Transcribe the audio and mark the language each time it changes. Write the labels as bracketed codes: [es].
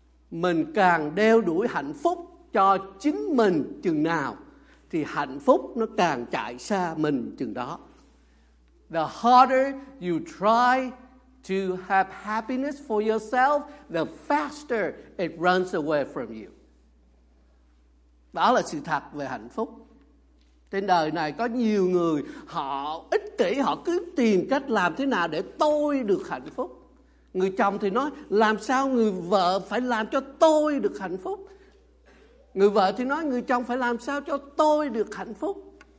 [vi] Mình càng đeo đuổi hạnh phúc cho chính mình chừng nào thì hạnh phúc nó càng chạy xa mình chừng đó. [en] The harder you try to have happiness for yourself, the faster it runs away from you. [vi] Đó là sự thật về hạnh phúc. Trên đời này có nhiều người họ ích kỷ, họ cứ tìm cách làm thế nào để tôi được hạnh phúc. Người chồng thì nói làm sao người vợ phải làm cho tôi được hạnh phúc. Người vợ thì nói người chồng phải làm sao cho tôi được hạnh phúc.